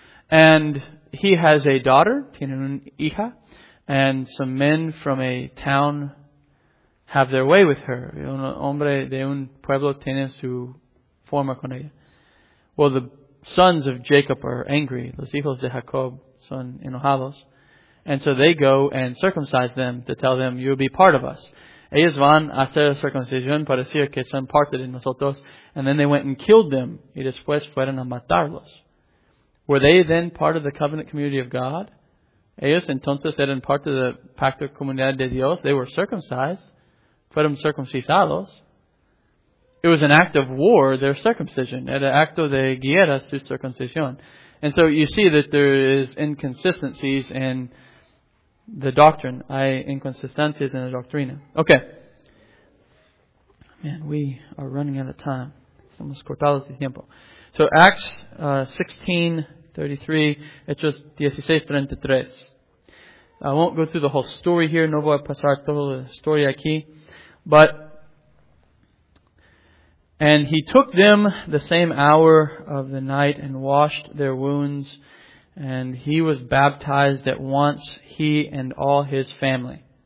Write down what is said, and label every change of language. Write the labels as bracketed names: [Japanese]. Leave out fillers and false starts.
[English] And he has a daughter, [Spanish] tiene una hija, [English] and some men from a town have their way with her. [Spanish] Un hombre de un pueblo tiene su forma con ella. [English] Well, the sons of Jacob are angry. [Spanish] Los hijos de Jacob son enojados. [English] And so they go and circumcise them to tell them, you'll be part of us. [Spanish] Ellos van a hacer circuncisión para decir que son parte de nosotros. [English] And then they went and killed them. [Spanish] Y después fueron a matarlos. [English] Were they then part of the covenant community of God? [Spanish] Ellos entonces eran parte de pacto comunidad de Dios. [English] They were circumcised. [Spanish] Fueron circuncisados. [English] It was an act of war, their circumcision. [Spanish] Era acto de guerra, su circuncisión. [English] And so you see that there is inconsistencies in the doctrine. [Spanish] Hay inconsistencias [English] in the doctrina. Okay. Man, we are running out of time. [Spanish] Somos cortados de tiempo. [English] So Acts 16:33, [Spanish] Hechos 16:33. [English] I won't go through the whole story here. [Spanish] No voy a pasar toda la historia aquí. [English] But, and he took them the same hour of the night and washed their wounds. And he was baptized at once, he and all his family.